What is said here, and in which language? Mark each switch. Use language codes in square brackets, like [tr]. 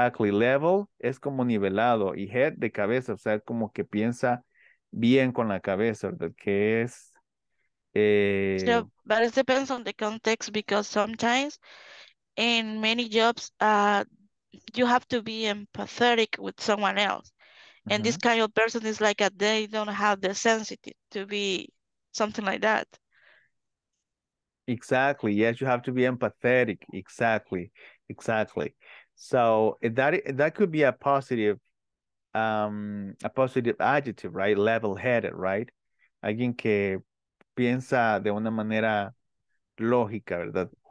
[es] Level es como nivelado y head de cabeza, o sea, como que piensa bien con la cabeza, ¿verdad? Que es. [en] So, but it depends on the context because sometimes in many jobs, you have to be empathetic with someone else. And mm-hmm. this kind of person is like they don't have the sensitivity to be something like that. Exactly. Yes, you have to be empathetic. Exactly. So that could be a positive adjective, right? Level-headed, right? [es] Alguien que piensa de una manera lógica, ¿verdad?